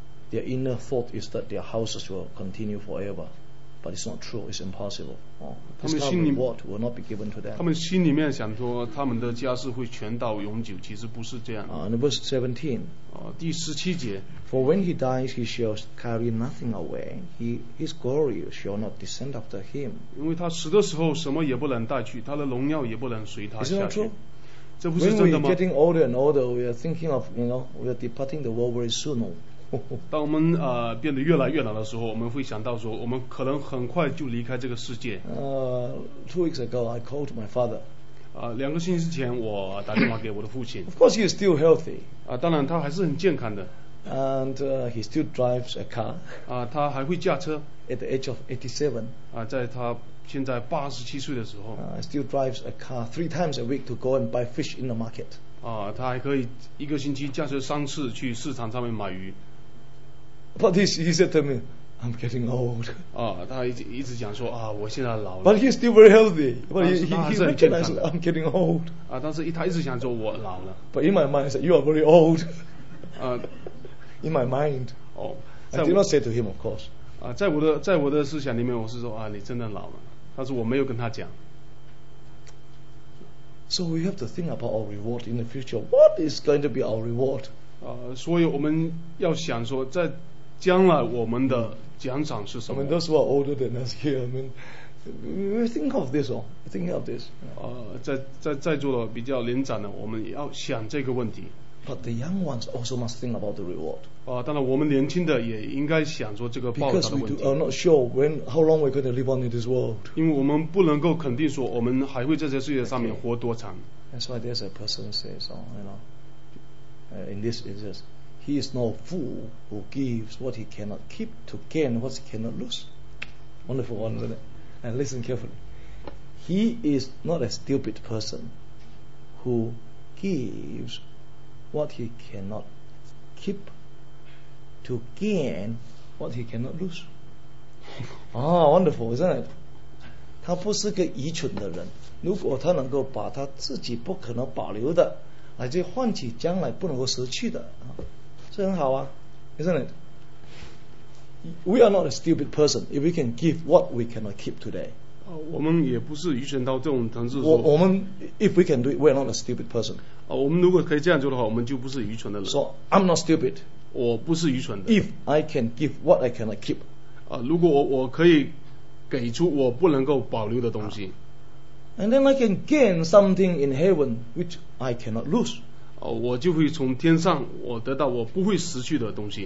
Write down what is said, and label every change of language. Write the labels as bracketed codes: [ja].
[en] their inner thought is that their houses will continue forever, but it's not true, it's impossible. What will not be given to them. [zh] 他们心里面想说他们的家事会全到永久, 其实不是这样。 [en] Verse 17, [zh] 第十七节, [en] for when he dies, he shall carry nothing away, his glory shall not descend after him. [zh] 因为他死的时候什么也不能带去, 他的荣耀也不能随他下去。 [en] Isn't that true? When we are getting older and older, we are thinking of, you know, we are departing the world very soon. [zh] 当我们 变得越来越老的时候， 我们会想到说， 我们可能很快就离开这个世界。 [en] 2 weeks ago, I called my father. [zh] 2个星期前， 我打电话给我的父亲。 [en] Of course, he is still healthy. [zh] 当然他还是很健康的。 [en] And he still drives a car. [zh] 他还会驾车。 [en] At the age of 87. [zh] 在他 现在87岁的时候， [en] Still drives a car 3 times a week to go and buy fish in the market. [zh] 他还可以一个星期驾车3次去市场上面买鱼。 [en] But he said to me, I'm getting old. [zh] 啊，他一直讲说啊，我现在老了。 [en] But he's still very healthy. But he recognizes I'm getting old. [zh] 啊，但是他一直想说我老了。 [en] But in my mind, I said, you are very old. 啊，in my mind. 哦，I did not say to him, of course. [zh] 啊，在我的思想里面，我是说啊，你真的老了。但是我没有跟他讲。 [en] So we have to think about our reward in the future. What is going to be our reward? [zh] 啊，所以我们要想说在。将来我们的奖赏是什么？ [en] I mean, those who are older than us here, I mean, we think of this, oh, think of this. [zh] 在座的比较年长的，我们要想这个问题。 [en] But the young ones also must think about the reward. [zh] 当然我们年轻的也应该想说这个报答的问题。 [en] Because we are not sure when, how long we're going to live on in this world. [zh] 因为我们不能够肯定说我们还会在这世界上面活多长。 [en] Okay. That's why there's a person says, oh, you know, in this. He is no fool who gives what he cannot keep to gain what he cannot lose. Wonderful one, isn't it? And listen carefully. He is not a stupid person who gives what he cannot keep to gain what he cannot lose. Ah, wonderful, isn't it? [zh] 他不是个愚蠢的人。如果他能够把他自己不可能保留的，来去换取将来不能够失去的。是很好啊 ， [en] isn't it? We are not a stupid person if we can give what we cannot keep today. [zh] 我们也不是愚蠢到这种程度。我们 [en] if we can do it, we are not a stupid person. [zh] 我们如果可以这样做的话，我们就不是愚蠢的人。 [en] So I'm not stupid. [zh] 我不是愚蠢的。 [en] If I can give what I cannot keep. [zh] 如果我可以给出我不能够保留的东西。 [en] And then I can gain something in heaven which I cannot lose. [zh] 我就会从天上我得到我不会失去的东西。